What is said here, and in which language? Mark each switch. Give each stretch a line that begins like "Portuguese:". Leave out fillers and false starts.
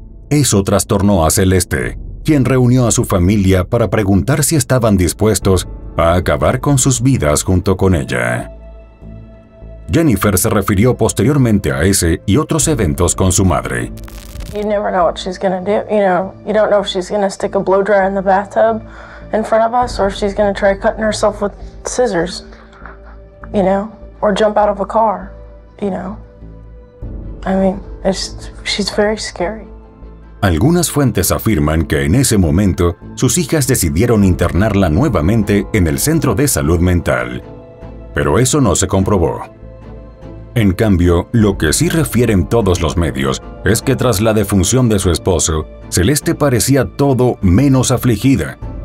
Spanish: Eso trastornó a Celeste, quien reunió a su familia para preguntar si estaban dispuestos a acabar con sus vidas junto con ella. Jennifer se refirió posteriormente a ese y otros eventos con su madre.
English: You never know what she's gonna do. You know, you don't know if she's gonna stick a blow dryer in the bathtub in front of us, or if she's gonna try cutting herself with scissors. You know, or jump out of a car. You know, I mean, she's very scary.
Spanish: Algunas fuentes afirman que en ese momento sus hijas decidieron internarla nuevamente en el centro de salud mental, pero eso no se comprobó. En cambio, lo que sí refieren todos los medios es que tras la defunción de su esposo, Celeste parecía todo menos afligida.